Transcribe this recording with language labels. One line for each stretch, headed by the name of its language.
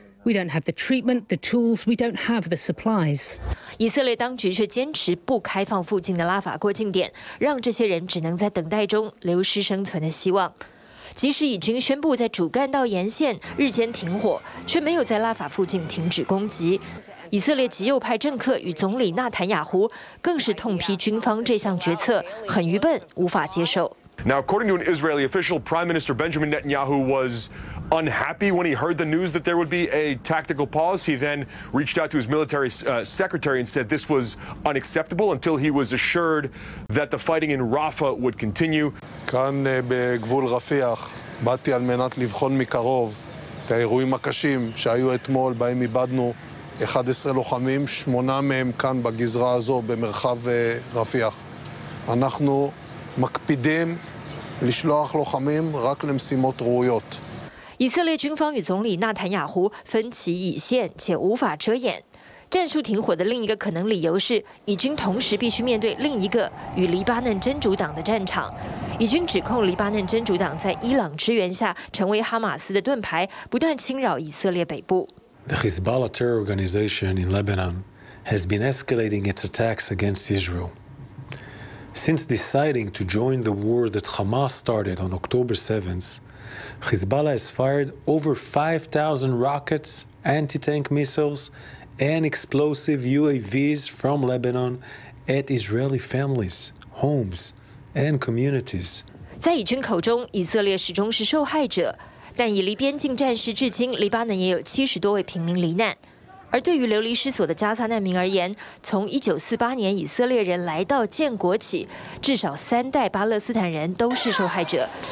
English: We don't have the treatment, the tools, we don't have the supplies.
Chinese: 以色列当局却坚持不开放附近的拉法过境点，让这些人只能在等待中流失生存的希望。即使以军宣布在主干道沿线日间停火，却没有在拉法附近停止攻击。以色列极右派政客与总理纳坦雅胡更是痛批军方这项决策很愚笨，无法接受。
English: Now, according to an Israeli official, Prime Minister Benjamin Netanyahu was unhappy when he heard the news that there would be a tactical pause. He then reached out to his military secretary and said this was unacceptable until he was assured that the fighting in Rafah would continue.
Hebrew: כאן בגבול רפיח, באתי על מנת לבחון מקרוב את האירועים הקשים שהיו אתמול בהם איבדנו 11 לוחמים, 8 מהם כאן בגזרה הזו, במרחב רפיח. אנחנו מקפידים לשלוח לוחמים רק למשימות ראויות.
Chinese: 以色列军方与总理纳坦雅胡分歧已现，且无法遮掩。战术停火的另一个可能理由是，以军同时必须面对另一个与黎巴嫩真主党的战场。以军指控黎巴嫩真主党在伊朗支援下成为哈马斯的盾牌，不断侵扰以色列北部。
English: The Hezbollah terror organization in Lebanon has been escalating its attacks against Israel. Since deciding to join the war that Hamas started on October 7th, Hezbollah has fired over 5,000 rockets, anti-tank missiles, and explosive UAVs from Lebanon at Israeli families, homes, and communities.
Chinese: 在以军口中，以色列始终是受害者。但以黎边境战事至今，黎巴嫩也有70多位平民罹难。而对于流离失所的加萨难民而言，从1948年以色列人来到建国起，至少三代巴勒斯坦人都是受害者。